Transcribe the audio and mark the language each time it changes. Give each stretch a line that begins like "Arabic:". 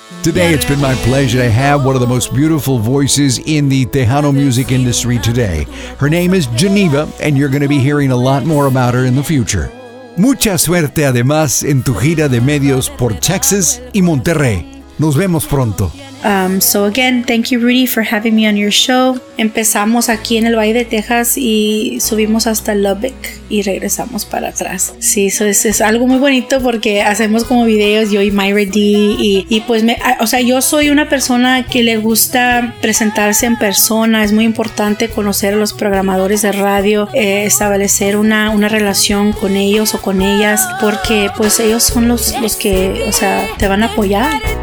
English: Today, it's been my pleasure to have one of the most beautiful voices in the Tejano music industry today. Her name is Geneva, and you're going to be hearing a lot more about her in the future.
Spanish: Mucha suerte además en tu gira de medios por Texas y Monterrey. Nos vemos pronto.
English: So again, thank you Rudy for having me on your show.
Spanish: Empezamos aquí en el Valle de Texas y subimos hasta Lubbock y regresamos para atrás. Sí, eso es algo muy bonito porque hacemos como videos, yo y Myra D. Y pues yo soy una persona que le gusta presentarse en persona. Es muy importante conocer a los programadores de radio, establecer una relación con ellos o con ellas, porque pues ellos son los que, o sea, te van a apoyar.